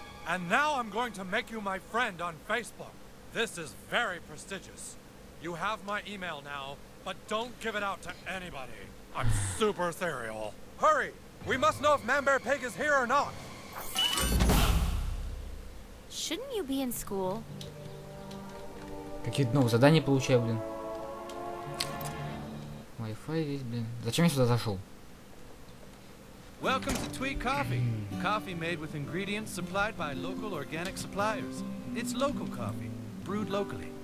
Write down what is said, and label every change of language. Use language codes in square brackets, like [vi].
[en] And now I'm going to make you my friend on Facebook. This is very prestigious. You have my email now, but don't give it out to anybody. I'm super ethereal. Hurry! We must know if Manbear Pig is here or not. Shouldn't you be in school? [ru] Какие-то новые задания получаю, блин. Wi-Fi здесь, блин. Зачем я сюда зашел? [en] Welcome to Tweet Coffee. Coffee made with ingredients supplied by local organic suppliers. It's local coffee, brewed locally.